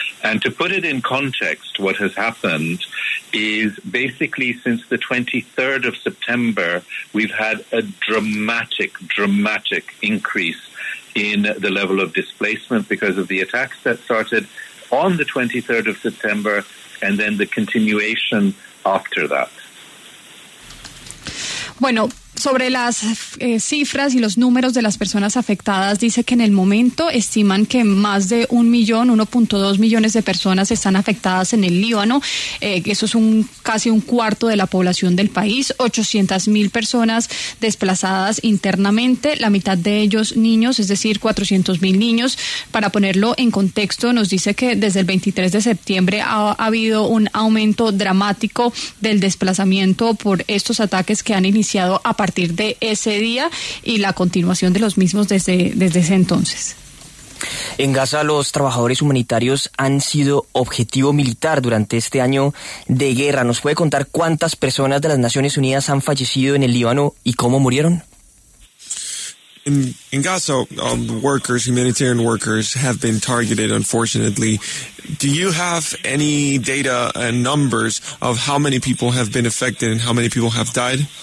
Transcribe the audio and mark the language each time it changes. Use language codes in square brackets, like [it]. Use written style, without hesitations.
[en] And to put it in context, what has happened is basically since the 23rd of September, we've had a dramatic, dramatic increase in the level of displacement because of the attacks that started on the 23rd of September and then the continuation after that. [es] Bueno. Sobre las cifras y los números de las personas afectadas, dice que en el momento estiman que más de 1.2 millones de personas están afectadas en el Líbano. Eso es casi un cuarto de la población del país, 800,000 personas desplazadas internamente, la mitad de ellos niños, es decir, 400,000 niños. Para ponerlo en contexto, nos dice que desde el 23 de septiembre ha habido un aumento dramático del desplazamiento por estos ataques que han iniciado a partir de ese día y la continuación de los mismos desde ese entonces. En Gaza, los trabajadores humanitarios han sido objetivo militar durante este año de guerra. ¿Nos puede contar cuántas personas de las Naciones Unidas han fallecido en el Líbano y cómo murieron? [en] In Gaza, workers, humanitarian workers, have been targeted, unfortunately. Do you have any data and numbers of how many people have been affected and how many people have died?